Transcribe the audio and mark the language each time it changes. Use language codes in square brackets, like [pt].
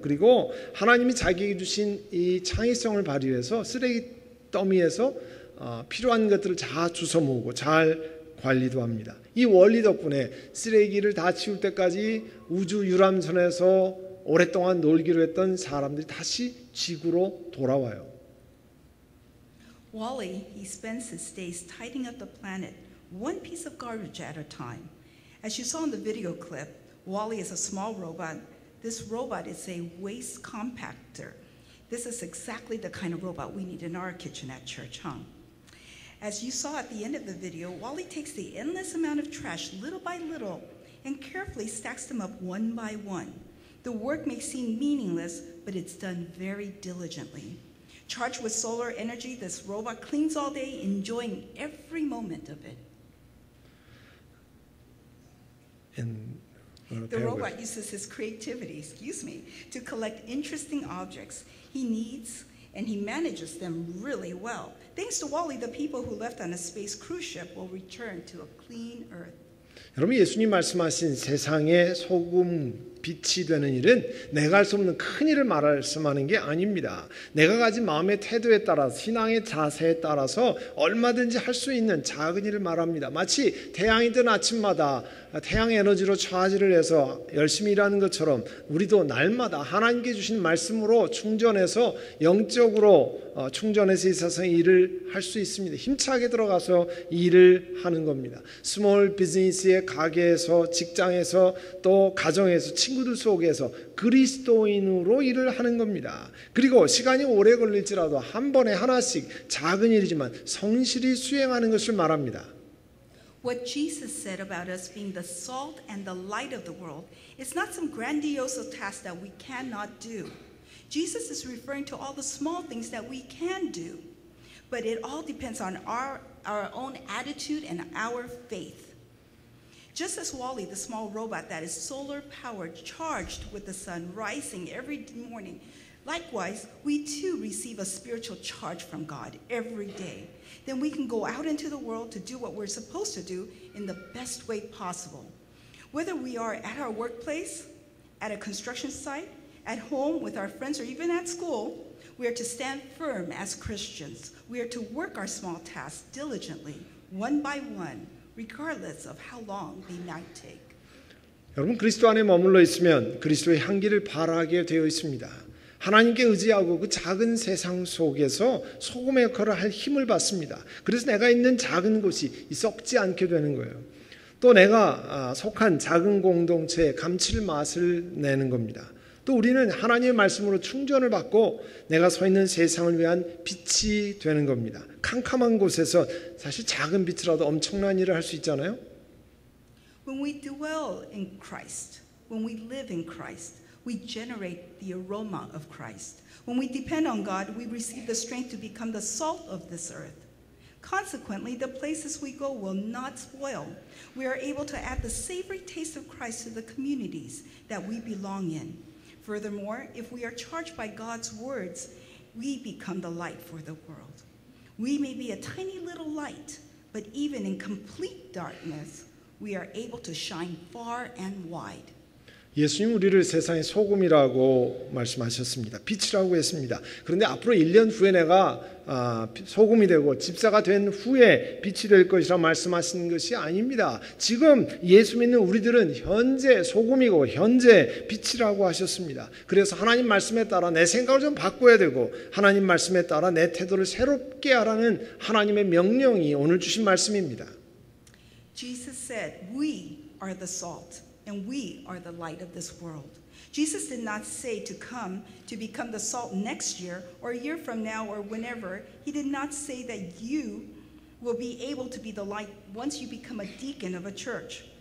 [ko] 그리고 하나님이 자기에게 주신 이 창의성을 발휘해서 쓰레기 더미에서 필요한 것들을 다 주워 모으고 잘 관리도 합니다. 이 원리 덕분에 쓰레기를 다 치울 때까지 우주 유람선에서 오랫동안 놀기로 했던 사람들이 다시 지구로 돌아와요. [en] Wally, he spends his days tidying up the planet, one piece of garbage at a time. As you saw in the video clip, Wally is a small robot. This robot is a waste compactor. This is exactly the kind of robot we need in our kitchen at Church Hung. As you saw at the end of the video, Wally takes the endless amount of trash little by little and carefully stacks them up one by one. The work may seem meaningless, but it's done very diligently. Charged with solar energy, this robot cleans all day, enjoying every moment of it. The robot uses his creativity, to collect interesting objects he needs, and he manages them really well. Thanks to Wally, the people who left on a space cruise ship will return to a clean earth. [ko] 여러분, 예수님 말씀하신 세상의 소금 빛이 되는 일은 내가 할 수 없는 큰 일을 말씀하는 게 아닙니다. 내가 가진 마음의 태도에 따라서 신앙의 자세에 따라서 얼마든지 할 수 있는 작은 일을 말합니다. 마치 태양이 뜬 아침마다 태양 에너지로 차지를 해서 열심히 일하는 것처럼 우리도 날마다 하나님께 주신 말씀으로 충전해서 영적으로 충전해서 있어서 일을 할 수 있습니다. 힘차게 들어가서 일을 하는 겁니다. 스몰 비즈니스의 가게에서 직장에서 또 가정에서 친구들 속에서 그리스도인으로 일을 하는 겁니다. 그리고 시간이 오래 걸릴지라도 한 번에 하나씩 작은 일이지만 성실히 수행하는 것을 말합니다. [en] What Jesus said about us being the salt and the light of the world is not some grandiose task that we cannot do. Jesus is referring to all the small things that we can do, but it all depends on our own attitude and our faith. Just as Wally, the small robot that is solar-powered, charged with the sun rising every morning, likewise, we too receive a spiritual charge from God every day. Then we can go out into the world to do what we're supposed to do in the best way possible. Whether we are at our workplace, at a construction site, at home with our friends, or even at school, we are to stand firm as Christians. We are to work our small tasks diligently, one by one, regardless of how long they might take. [ko] 여러분, 그리스도 안에 머물러 있으면 그리스도의 향기를 바라게 되어 있습니다. 하나님께 의지하고 그 작은 세상 속에서 소금의 역할을 할 힘을 받습니다. 그래서 내가 있는 작은 곳이 썩지 않게 되는 거예요. 또 내가 속한 작은 공동체의 감칠맛을 내는 겁니다. 또 우리는 하나님의 말씀으로 충전을 받고 내가 서 있는 세상을 위한 빛이 되는 겁니다. 캄캄한 곳에서 사실 작은 빛이라도 엄청난 일을 할 수 있잖아요. [en] When we dwell in Christ, when we live in Christ, we generate the aroma of Christ. When we depend on God, we receive the strength to become the salt of this earth. Consequently, the places we go will not spoil. We are able to add the savory taste of Christ to the communities that we belong in. Furthermore, if we are charged by God's words, we become the light for the world. We may be a tiny little light, but even in complete darkness, we are able to shine far and wide. [ko] 예수님 우리를 세상의 소금이라고 말씀하셨습니다. 빛이라고 했습니다. 그런데 앞으로 1년 후에 내가 소금이 되고 집사가 된 후에 빛이 될 것이라고 말씀하시는 것이 아닙니다. 지금 예수 믿는 우리들은 현재 소금이고 현재 빛이라고 하셨습니다. 그래서 하나님 말씀에 따라 내 생각을 좀 바꿔야 되고 하나님 말씀에 따라 내 태도를 새롭게 하라는 하나님의 명령이 오늘 주신 말씀입니다. [en] Jesus said, "We are the salt." And we are the light of this world. Jesus did not say to come to become the salt next year or a year from now or whenever. He did not say that you will be able to be the light once you become a deacon of a church.